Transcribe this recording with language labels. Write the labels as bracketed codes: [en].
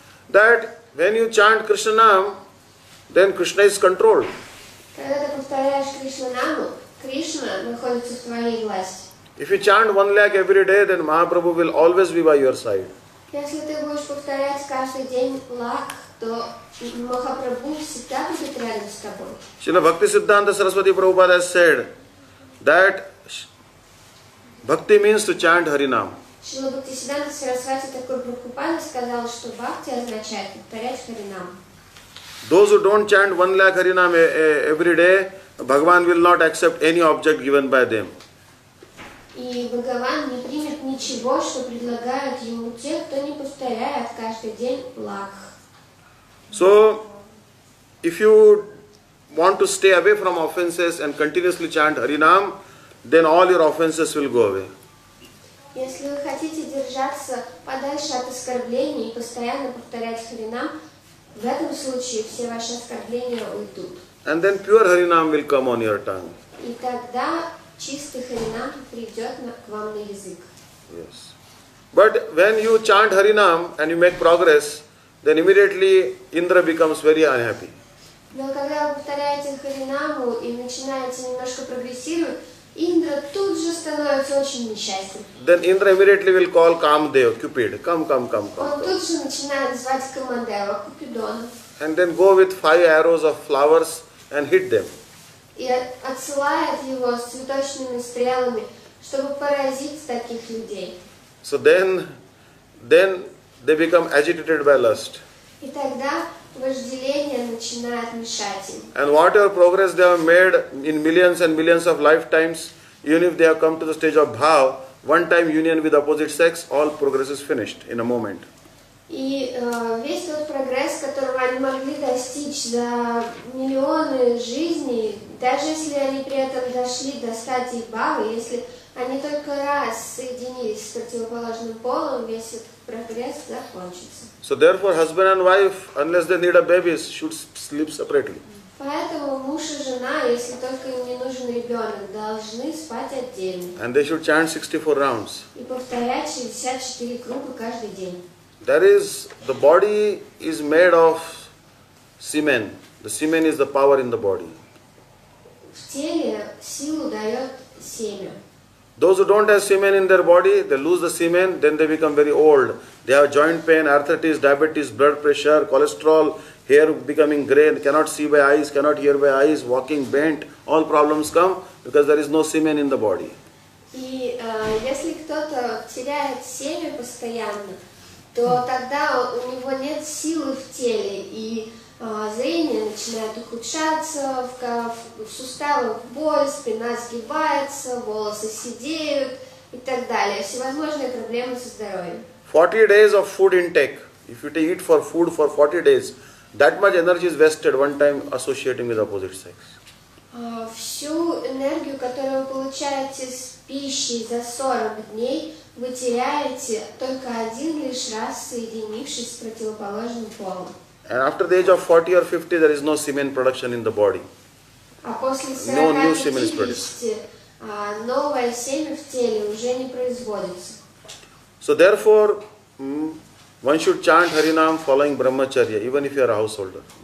[en] That when you chant Krishnanam, then Krishna is controlled. [ru] Когда ты повторяешь Кришнанаму, Кришна находится в твоей власти. [en] If you chant 1 lakh every day, then Mahaprabhu will always be by your side. [ru] Если ты будешь повторять каждый день лакх, то Махапрабху всегда будет рядом с тобой. [en] Shrila Bhakti Siddhanta Saraswati Prabhupada has said that bhakti means to chant Harinam. [ru] Shrila Bhakti Siddhanta Saraswati Thakur Prabhupada сказал, что bhakti означает повторять Харинам. [en] Those who don't chant 1 lakh Harinam every day, Bhagavan will not accept any object given by them. [ru] И Бхагаван не примет ничего, что предлагают ему те, кто не повторяет каждый день лакх. [en] So, if you want to stay away from offenses and continuously chant Harinam, then all your offenses will go away. [ru] Если вы хотите держаться подальше от оскорблений и постоянно повторять Харинам, в этом случае все ваши оскорбления уйдут. [en] And then pure Harinam will come on your tongue. [ru] И тогда чистый Харинам придет к вам на язык. [en] Yes. But when you chant Harinam and you make progress, then immediately Indra becomes very unhappy. [ru] Но когда вы повторяете Харинаму и начинаете немножко прогрессировать, Indra тут же становится очень несчастен. [en] Then Indra immediately will call Kamadeva, Cupid. Come. [ru] Он тут же начинает звать Камадева, Купидона. [en] And then go with 5 arrows of flowers and hit them. [ru] И отсылает его с цветочными стрелами, чтобы поразить таких людей. [en] So then they become agitated by lust. [ru] И тогда вожделение начинает мешать им. [en] And whatever progress they have made in millions and millions of lifetimes, even if they have come to the stage of bhav, one time union with opposite sex, all progress is finished in a moment. [ru] И весь тот прогресс, которого они могли достичь за миллионы жизней, даже если они при этом дошли до стадии бхавы, если они только раз соединились с противоположным полом, весь этот прогресс закончится. [en] So therefore, husband and wife, unless they need a baby, should sleep separately. [ru] Поэтому муж и жена, если только им не нужен ребенок, должны спать отдельно. [en] And they should chant 64 rounds. [ru] И повторять 64 круга каждый день. [en] There is the body is made of semen. The semen is the power in the body. [ru] В теле силу дает семя. [en] Those who don't have semen in their body, they lose the semen, then they become very old. They have joint pain, arthritis, diabetes, blood pressure, cholesterol, hair becoming gray, cannot see by eyes, cannot hear by eyes, walking bent, all problems come because there is no semen in the body. [ru] И если кто-то теряет семя постоянно, то тогда у него нет силы в теле, и зрение начинает ухудшаться, в суставах боль, спина сгибается, волосы седеют и так далее. Всевозможные проблемы со здоровьем. [en] 40 days of food intake. If you eat for food for 40 days, that much energy is wasted one time associating with opposite sex. [ru] Всю энергию, которую вы получаете с пищей за 40 дней, вы теряете только один лишь раз, соединившись с противоположным полом. [en] And after the age of 40 or 50, there is no semen production in the body. No new semen is produced. So therefore, one should chant Harinam following Brahmacharya, even if you are a householder.